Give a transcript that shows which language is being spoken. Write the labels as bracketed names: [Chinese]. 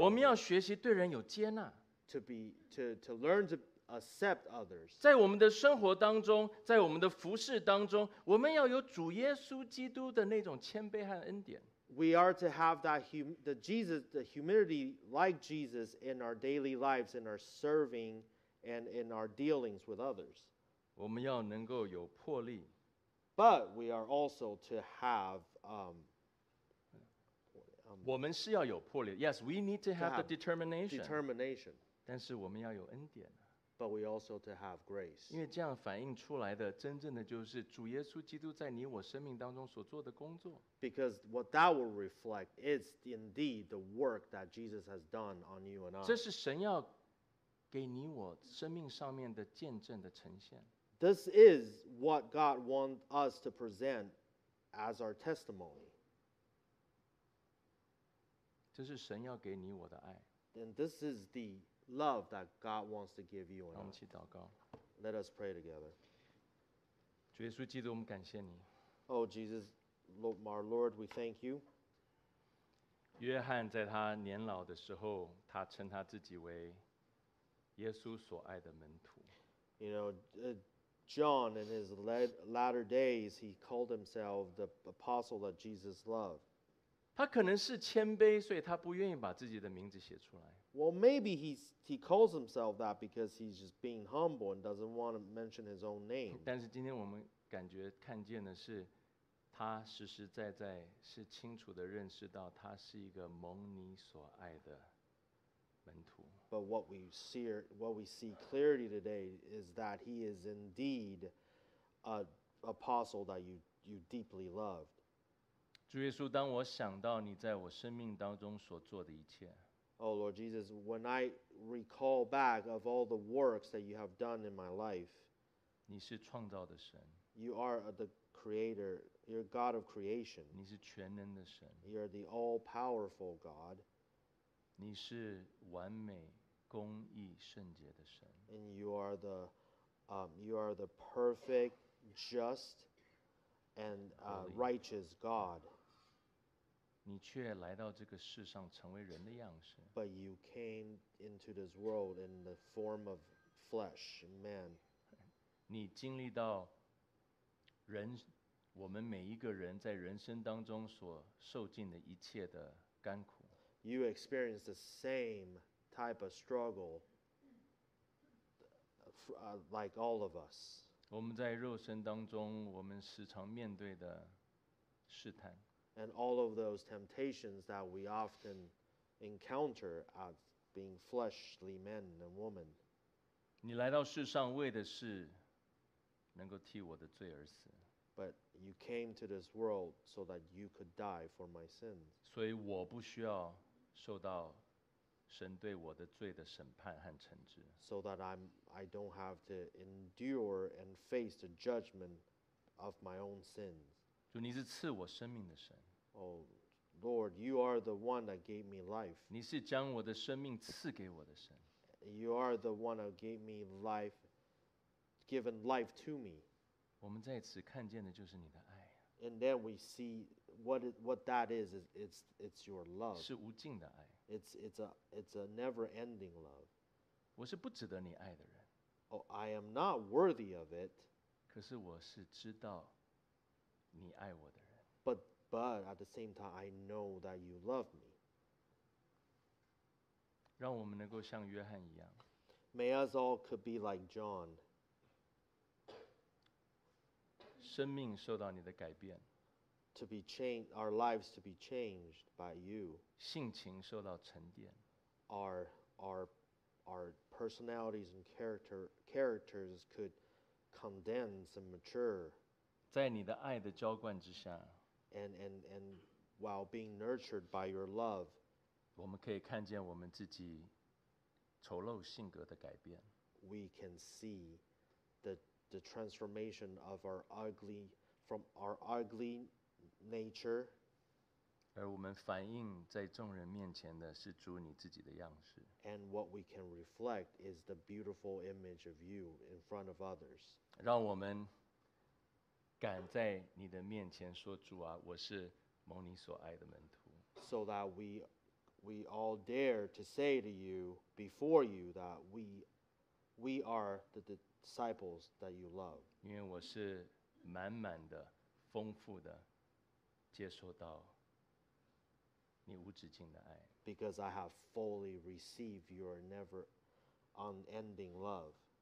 [Chinese] 我们要学习对人有接纳。 [English] To learn to. Accept others. [Chinese] 在我们的生活当中，在我们的服事当中，我们要有主耶稣基督的那种谦卑和恩典。 [English] We are to have that the humility like Jesus in our daily lives, in our serving, and in our dealings with others. [Chinese] 我们要能够有魄力。 [English] But we are also to have [Chinese] 我们是要有魄力。 [English] Yes, we need to have the determination. Determination. [Chinese] 但是我们要有恩典。 [English] But we also to have grace. [Chinese] 因为这样反映出来的，真正的就是主耶稣基督在你我生命当中所做的工作。 [English] Because what that will reflect is indeed the work that Jesus has done on you and I. [Chinese] 这是神要给你我生命上面的见证的呈现。 [English] This is what God wants us to present as our testimony. [Chinese] 这是神要给你我的爱。 [English] Then this is the. Love that God wants to give you and us. Let us pray together. [Chinese] 主耶稣基督，我们感谢你。 [English] Oh Jesus, our Lord, we thank you. [Chinese] 约翰在他年老的时候，他称他自己为耶稣所爱的门徒。 [English] You know, John in his latter days, he called himself the apostle that Jesus loved. [Chinese] 他可能是谦卑，所以他不愿意把自己的名字写出来。 [English] Well, maybe he calls himself that because he's just being humble and doesn't want to mention his own name. [Chinese] 但是今天我们感觉看见的是，他实实在在是清楚的认识到他是一个蒙你所爱的门徒。 [English] But what we see clearly today is that he is indeed an apostle that you deeply love. [Chinese] 主耶稣，当我想到你在我生命当中所做的一切 [English] ，Oh Lord Jesus, when I recall back of all the works that you have done in my life, [Chinese] 你是创造的神 [English] ，You are the Creator, You're God of creation, [Chinese] 你是全能的神 [English] ，You're the all-powerful God, [Chinese] 你是完美、公义、圣洁的神。 [English] And you are the, you are the perfect, just, and righteous God. [Chinese] 你却来到这个世上，成为人的样式。 [English] But you came into this world in the form of flesh, man. [Chinese] 你经历到人，我们每一个人在人生当中所受尽的一切的甘苦。 [English] You experience the same type of struggle, like all of us. [Chinese] 我们在肉身当中，我们时常面对的试探。 [English] And all of those temptations that we often encounter as being fleshly men and women. [Chinese] 你来到世上为的是能够替我的罪而死。 [English] But you came to this world so that you could die for my sins. [Chinese] 所以我不需要受到神对我的罪的审判和惩治。 [English] So that I don't have to endure and face the judgment of my own sins. [Chinese] 主，你是赐我生命的神。 [English] Oh, Lord, you are the one that gave me life. [Chinese] 你是将我的生命赐给我的神。 [English] You are the one that gave me life, given life to me. [Chinese] 我们在此看见的就是你的爱。 [English] And then we see what that is it's your love. [Chinese] 是无尽的爱。 [English] It's a never-ending love. [Chinese] 我是不值得你爱的人。 [English] Oh, I am not worthy of it. [Chinese] 可是我是知道你爱我的人。 [English] But at the same time, I know that you love me. [Chinese] 让我们能够像约翰一样。 [English] May us all could be like John. [Chinese] 生命受到你的改变。 [English] To be changed, our lives to be changed by you. [Chinese] 性情受到沉淀。 [English] Our personalities and characters could condense and mature. [Chinese] 在你的爱的浇灌之下。 [English] And while being nurtured by your love, [Chinese] 我们可以看见我们自己丑陋性格的改变。 [English] We can see the transformation of our ugly, from our ugly nature. [Chinese] 而我们反映在众人面前的是主你自己的样式。 [English] And what we can reflect is the beautiful image of you in front of others. [Chinese] 让我们敢在你的面前说主啊，我是蒙你所爱的门徒。 [English] So that we all dare to say to you before you that we are the disciples that you love. [Chinese] 因为我是满满的、丰富的接受到你无止境的爱。 [English] Because I have fully received your never unending love.